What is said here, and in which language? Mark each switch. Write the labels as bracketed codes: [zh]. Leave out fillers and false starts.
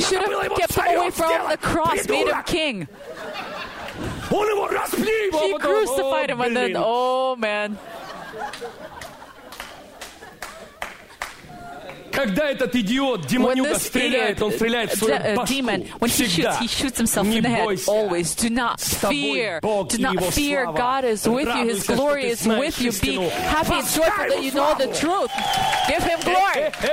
[en] should have kept him away from the cross, made him king. He crucified him, and then, oh man. [ru] Когда этот идиот, демонюга, стреляет, он стреляет в свою башку. [en] Demon, when [ru] всегда. [en] He shoots, he shoots himself in the head. Always. Do not fear. Do not fear. God is with you. His glory is with you. Be happy and joyful that you know the truth. Give him glory.